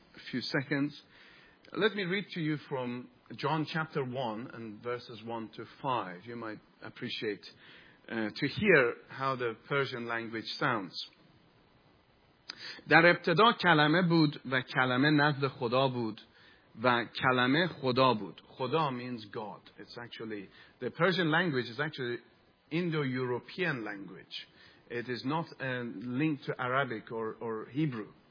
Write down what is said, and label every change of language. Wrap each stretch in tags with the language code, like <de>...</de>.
<en>few seconds. Let me read to you from John chapter 1 and verses 1 to 5. You might appreciate to hear how the Persian language sounds.</en> <fa>در ابتدا کلمه بود و کلمه نزد خدا بود و کلمه خدا بود.</fa> <en>خدا means God. It's actually, the Persian language is actually Indo-European language. It is not linked to Arabic or Hebrew.</en>